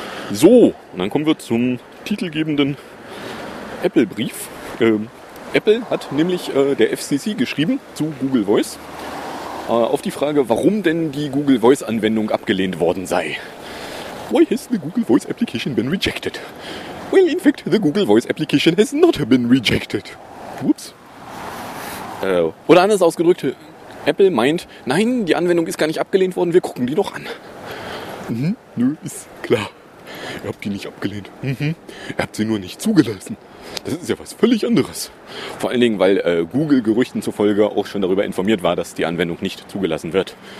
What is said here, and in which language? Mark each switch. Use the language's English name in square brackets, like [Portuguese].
[German] So, und dann kommen wir zum titelgebenden Apple-Brief. Apple hat nämlich der FCC geschrieben zu Google Voice auf die Frage, warum denn die Google Voice-Anwendung abgelehnt worden sei. [English] Why has the Google Voice application been rejected? Well, in fact, the Google Voice application has not been rejected. Whoops. [German] Oder anders ausgedrückt, Apple meint, nein, die Anwendung ist gar nicht abgelehnt worden, wir gucken die noch an. Mhm, nö, ist klar. Ihr habt die nicht abgelehnt. Mhm. Ihr habt sie nur nicht zugelassen. Das ist ja was völlig anderes. Vor allen Dingen, weil Google Gerüchten zufolge auch schon darüber informiert war, dass die Anwendung nicht zugelassen wird.